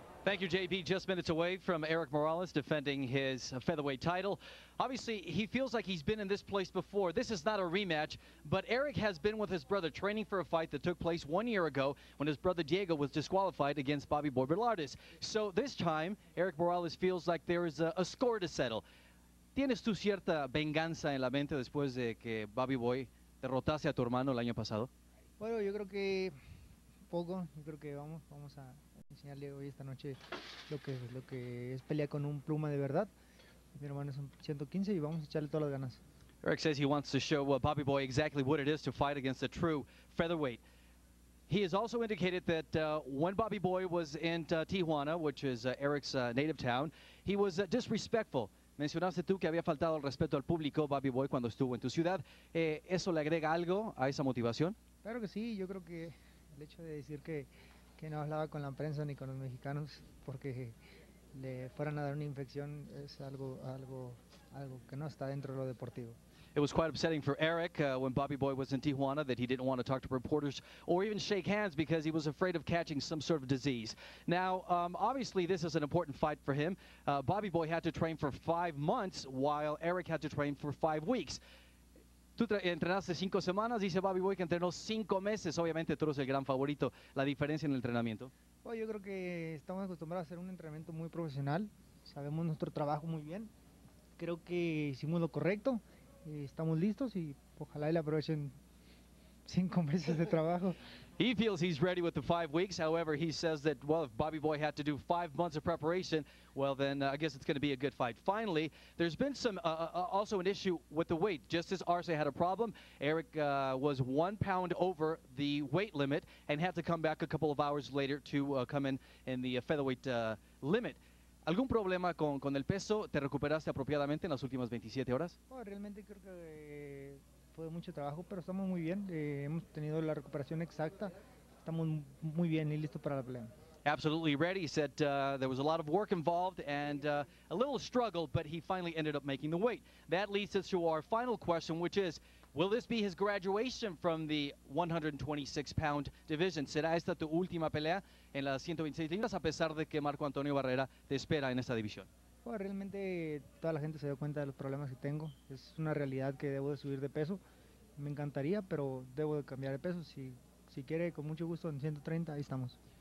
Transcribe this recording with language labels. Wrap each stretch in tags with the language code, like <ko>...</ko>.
<en>Thank you, JB. Just minutes away from Erik Morales defending his featherweight title. Obviously, he feels like he's been in this place before. This is not a rematch, but Erik has been with his brother training for a fight that took place 1 year ago when his brother Diego was disqualified against Bobby Boy Velardez. So this time, Erik Morales feels like there is a score to settle.</en> <es>¿Tienes tú cierta venganza en la mente después de que Bobby Boy derrotase a tu hermano el año pasado? Bueno, yo creo que poco. Yo creo que vamos a enseñarle hoy esta noche lo que es pelea con un pluma de verdad. Mi hermano es un 115 y vamos a echarle todas las ganas.</es> <en>Erik says he wants to show Bobby Boy exactly what it is to fight against a true featherweight. He has also indicated that when Bobby Boy was in Tijuana, which is Eric's native town, he was disrespectful.</en> <es>Mencionaste tú que había faltado el respeto al público, Bobby Boy, cuando estuvo en tu ciudad. ¿Eso le agrega algo a esa motivación? Claro que sí. Yo creo que el hecho de decir que no hablaba con la prensa ni con los mexicanos porque le fueran a dar una infección es algo que no está dentro de lo deportivo.</es> <en>It was quite upsetting for Erik when Bobby Boy was in Tijuana that he didn't want to talk to reporters or even shake hands because he was afraid of catching some sort of disease. Now, obviously, this is an important fight for him. Bobby Boy had to train for 5 months while Erik had to train for 5 weeks.</en> <es>Tú entrenaste 5 semanas, dice Bobby Boy, que entrenó 5 meses. Obviamente, tú eres el gran favorito. ¿La diferencia en el entrenamiento? Bueno, yo creo que estamos acostumbrados a hacer un entrenamiento muy profesional. Sabemos nuestro trabajo muy bien. Creo que hicimos lo correcto. Estamos listos y ojalá le aprovechen 5 meses de trabajo.</es> <en>He feels he's ready with the 5 weeks. However, he says that, well, if Bobby Boy had to do 5 months of preparation, well, then I guess it's going to be a good fight. Finally, there's been some also an issue with the weight. Just as Arce had a problem, Erik was 1 pound over the weight limit and had to come back a couple of hours later to come in the featherweight limit.</en> <es>¿Algún problema con el peso? ¿Te recuperaste apropiadamente en las últimas 27 horas? Oh, realmente creo que fue mucho trabajo, pero estamos muy bien. Hemos tenido la recuperación exacta. Estamos muy bien y listos para la pelea.</es> <en>Absolutely ready. He said there was a lot of work involved and a little struggle, but he finally ended up making the weight. That leads us to our final question, which is, will this be his graduation from the 126-pound division?</en> <es>¿Será esta tu última pelea en las 126 libras, a pesar de que Marco Antonio Barrera te espera en esta división? Bueno, realmente toda la gente se dio cuenta de los problemas que tengo. Es una realidad que debo de subir de peso. Me encantaría, pero debo de cambiar de peso. Si quiere, con mucho gusto, en 130, ahí estamos.</es>